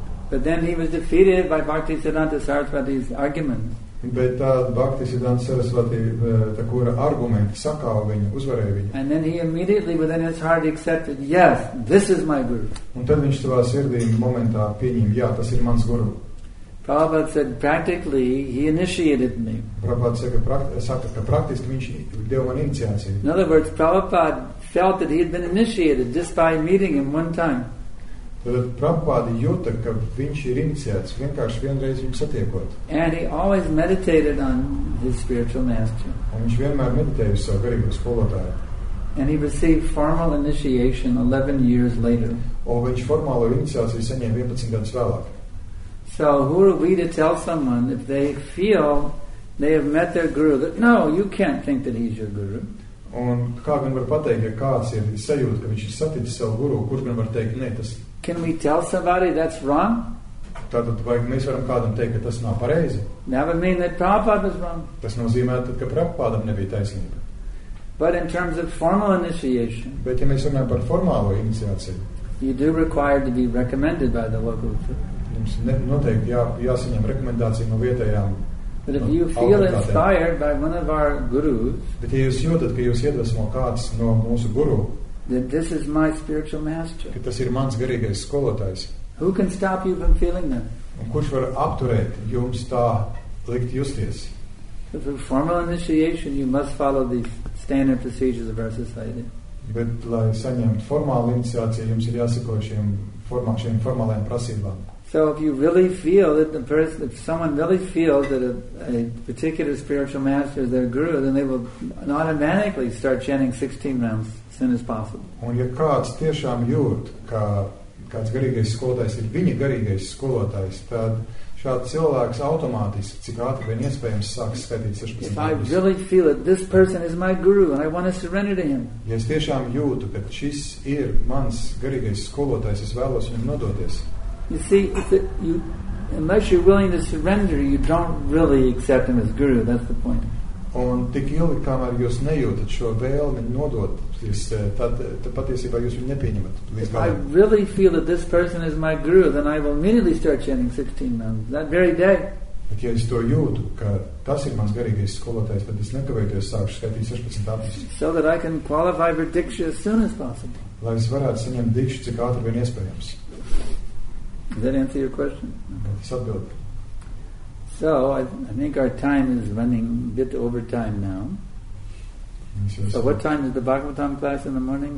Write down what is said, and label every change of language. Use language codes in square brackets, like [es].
[en] But then he was defeated by Bhakti Siddhanta Saraswati's argument. [lv] Bet tad Bhakti Siddhanta Saraswati Thakura argumenti sakāva viņu, uzvarēja viņu. [en] And then he immediately within his heart accepted, yes, this is my guru. [lv] Un tad viņš savā sirdī momentā pieņēma, jā, tas ir mans guru. [en] Prabhupada said, practically, he initiated me. In other words, Prabhupada felt that he had been initiated just by meeting him one time. [lv] Prabhupada jūta, ka viņš ir iniciēts, vienkārši vienreiz viņu satiekot. [en] And he always meditated on his spiritual master. [lv] Un viņš vienmēr meditēja uz savu garīgo skolotāju. [en] And he received formal initiation 11 years later. [lv] Un viņš formālo iniciāciju saņēma 11 gadus vēlāk. [en] So who are we to tell someone if they feel they have met their guru that no, you can't think that he's your guru. [lv] Un kā gan var pateikt, ja kāds ir sajūta, ka viņš ir saticis savu guru, kurš gan var teikt, ne, tas... [en] Can we tell somebody that's wrong? [lv] Tātad, vai mēs varam kādam teikt, ka tas nav pareizi? [en] That would mean that Prabhupada was wrong. [lv] Tas nozīmē, tad, ka Prabhupādam nebija taisnība. [en] But in terms of formal initiation. [lv] Bet, ja mēs runājam par formālo iniciāciju. [en] You do require to be recommended by the local group. [lv] Mums noteikti jāsaņem rekomendāciju no vietējām. [en] But if you feel inspired by one of our gurus. [lv] Bet, ja jūs jūtat, ka jūs iedvesmo kāds no mūsu guru. [en] That this is my spiritual master. [lv] Ka tas ir mans garīgais skolotājs. [en] Who can stop you from feeling that? [lv] Un kurš var apturēt jums tā likt justies? [en] But for formal initiation, you must follow the standard procedures of our society. [lv] Bet, lai saņemt formālu iniciāciju, jums ir jāseko šiem formālajiem prasībām. [en] So if you really feel that the person, if someone really feels that a particular spiritual master is their guru, then they will automatically start chanting 16 rounds. As soon as possible. [lv] Un ja kāds tiešām jūt, ka kāds garīgais skolotājs ir viņa garīgais skolotājs, tad šāds cilvēks automātiski, cik ātri vien iespējams, sāks skaitīt 16 minūtes. [en] If I really feel that this person is my guru and I want to surrender to him. [lv] Ja es tiešām jūtu, ka šis ir mans garīgais skolotājs, es vēlos viņam nodoties. [en] You see, unless you're willing to surrender, you don't really accept him as guru. That's the point. [lv] Un tik ilgi, kamēr jūs nejūtat šo vēlmi nodot, tad, tad patiesībā jūs viņu nepieņemat. [en] If I really feel that this person is my guru, then I will immediately start chanting 16 mantras. That very day. [lv] Bet ja es to jūtu, ka tas ir mans garīgais skolotājs, tad es nekavējoties sākšu skaitīt 16 mantras. [en] So that I can qualify for diksha as soon as possible. [lv] Lai es varētu saņemt dikšu, cik ātri vien iespējams. [en] Does that answer your question? [lv] Es atbildu. [en] So, I think our time is running a bit over time now. So, what time is the Bhagavatam class in the morning?